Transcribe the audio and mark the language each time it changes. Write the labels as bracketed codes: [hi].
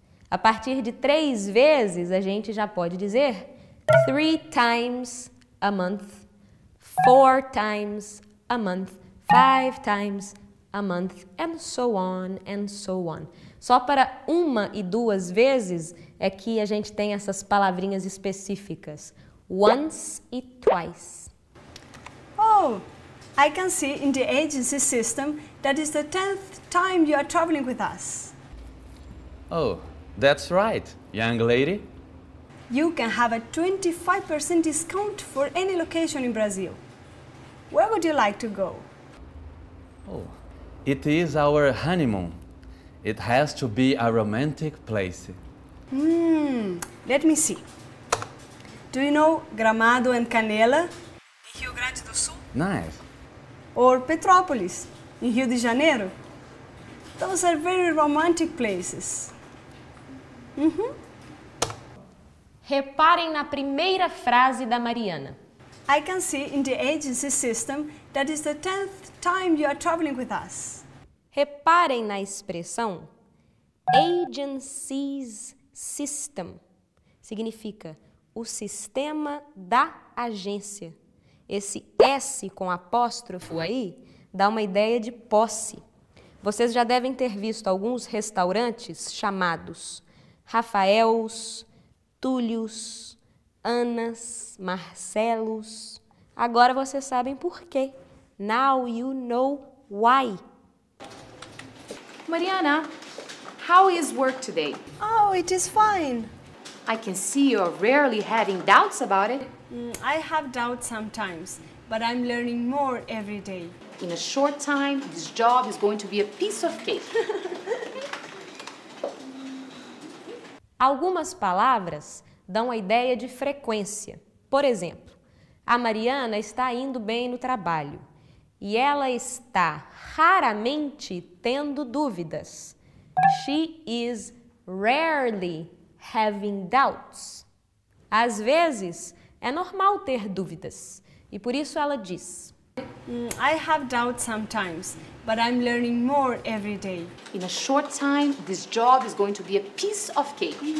[pt] A partir de três vezes, a gente já pode dizer [en] three times a month, four times a month, five times a month, and so on, and so on. [pt] Só para uma e duas vezes é que a gente tem essas palavrinhas específicas. [en] Once e twice. Oh, I can see in the agency system that is the 10th time you are traveling with us. Oh, that's right, young lady. You can have a 25% discount for any location in Brazil. Where would you like to go? Oh, it is our honeymoon. It has to be a romantic place. Let me see. Do you know Gramado and Canela? In Rio Grande do Sul? Nice. Or Petrópolis, in Rio de Janeiro? Those are very romantic places. [pt] Reparem na primeira frase da Mariana. [en] I can see in the agency system that is the 10th time you are traveling with us. [pt] Reparem na expressão agency's system. Significa o sistema da agência. Esse S com apóstrofo aí dá uma ideia de posse. Vocês já devem ter visto alguns restaurantes chamados Rafael's, Túlio's, Ana's, Marcelo's. Agora vocês sabem por quê. [en] Now you know why. Mariana, how is work today? Oh, it is fine. I can see you're rarely having doubts about it. I have doubts sometimes, but I'm learning more every day. In a short time, this job is going to be a piece of cake. [pt] Algumas palavras dão a ideia de frequência. Por exemplo, a Mariana está indo bem no trabalho e ela está raramente tendo dúvidas. [en] She is rarely having doubts. [pt] Às vezes, é normal ter dúvidas. E por isso ela diz: [en] I have doubts sometimes, but I'm learning more every day. In a short time, this job is going to be a piece of cake.